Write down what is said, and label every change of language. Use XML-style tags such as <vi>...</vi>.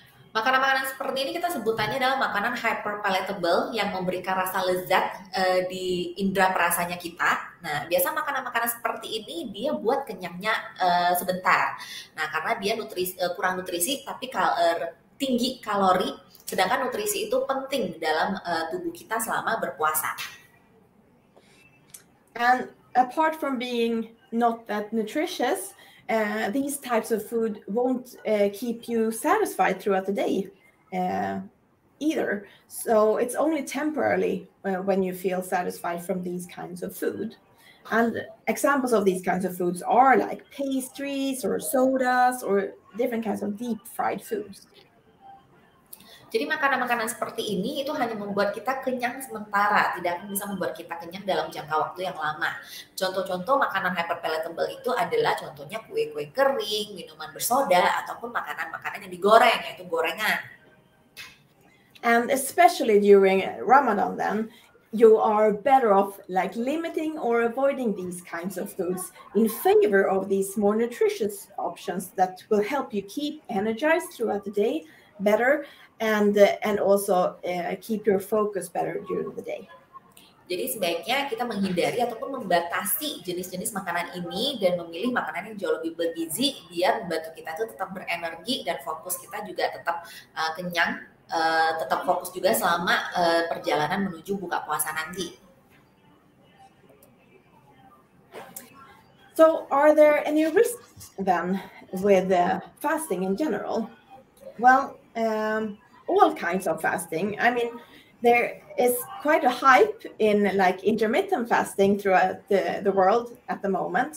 <id>Makanan-makanan seperti ini kita sebutannya adalah makanan hyperpalatable yang memberikan rasa lezat di indera perasanya kita. Nah, biasa makanan-makanan seperti ini dia buat kenyangnya sebentar. Nah, karena dia kurang nutrisi tapi tinggi kalori, sedangkan nutrisi itu penting dalam tubuh kita selama berpuasa.</id> <en>And apart from being not that nutritious, these types of food won't keep you satisfied throughout the day either. So it's only temporarily when you feel satisfied from these kinds of food. And examples of these kinds of foods are like pastries or sodas or different kinds of deep fried foods.</en> <id>Jadi makanan-makanan seperti ini itu hanya membuat kita kenyang sementara, tidak bisa membuat kita kenyang dalam jangka waktu yang lama. Contoh-contoh makanan hyperpalatable itu adalah contohnya kue-kue kering, minuman bersoda, ataupun makanan-makanan yang digoreng, yaitu gorengan.</id> <en>And especially during Ramadan then, you are better off like limiting or avoiding these kinds of foods in favor of these more nutritious options that will help you keep energized throughout the day better, and also keep your focus better during the day.</en> <id>Jadi sebaiknya kita menghindari ataupun membatasi jenis-jenis makanan ini dan memilih makanan yang jauh lebih bergizi biar membantu kita tuh tetap berenergi dan fokus kita juga tetap kenyang, tetap fokus juga selama perjalanan menuju buka puasa nanti.</id> <en>So are there any risks then with fasting in general? Well, all kinds of fasting. I mean, there is quite a hype in like intermittent fasting throughout the world at the moment.</en>